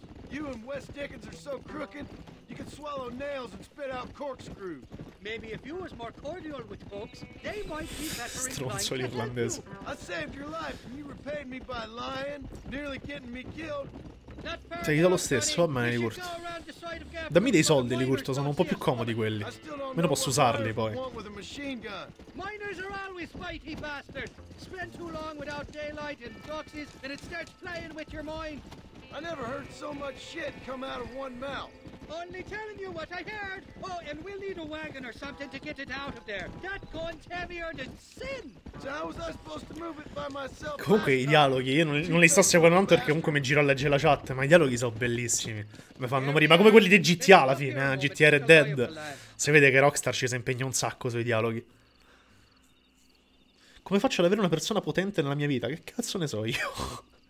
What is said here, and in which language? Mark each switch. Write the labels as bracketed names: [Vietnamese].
[English] You and Wes Dickens are so crooked, you can swallow nails and spit out corkscrews. Maybe if you was more cordial with folks, they might be better. [Italian] Stronzo irlandese. [English] I saved your life and you repaid me by lying, nearly getting me killed. [Italian] Se gli do lo stesso, a me li curto. Dammi dei soldi, li curto, sono un po' più comodi quelli. Almeno posso usarli poi. [English] Miners are always fighty bastards. Spend too long without daylight and doxies, and it starts playing with your mind. I never heard so much shit come out of one mouth. Only telling you what I heard. Oh, and we'll need a wagon or something to get it out of there. That gun's heavier than sin. So how was I supposed to move it by myself? [Italian] Comunque i dialoghi, io non li sto seguendo tanto perché comunque mi giro a leggere la chat, ma i dialoghi sono bellissimi. Mi fanno morire, ma come quelli di GTA alla fine, GTA Red Dead. Si vede che Rockstar ci si impegna un sacco sui dialoghi. Come faccio ad avere una persona potente nella mia vita? Che cazzo ne so io?